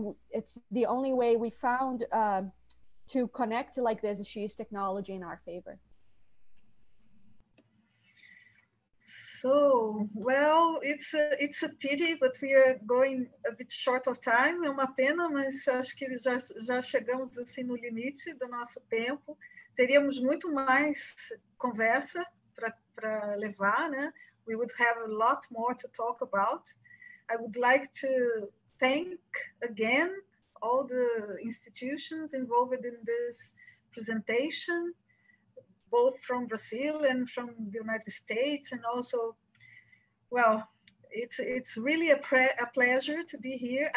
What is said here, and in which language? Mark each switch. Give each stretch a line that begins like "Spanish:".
English: It's the only way we found to connect like this is to use technology in our favor. So, well, it's a pity, but we are going a bit short of time.
Portuguese: É uma pena, mas acho que já chegamos assim no limite do nosso tempo. Teríamos muito mais conversa para levar, né?
English: We would have a lot more to talk about. I would like to thank again all the institutions involved in this presentation, both from Brazil and from the United States, and also, well, it's really a pleasure to be here.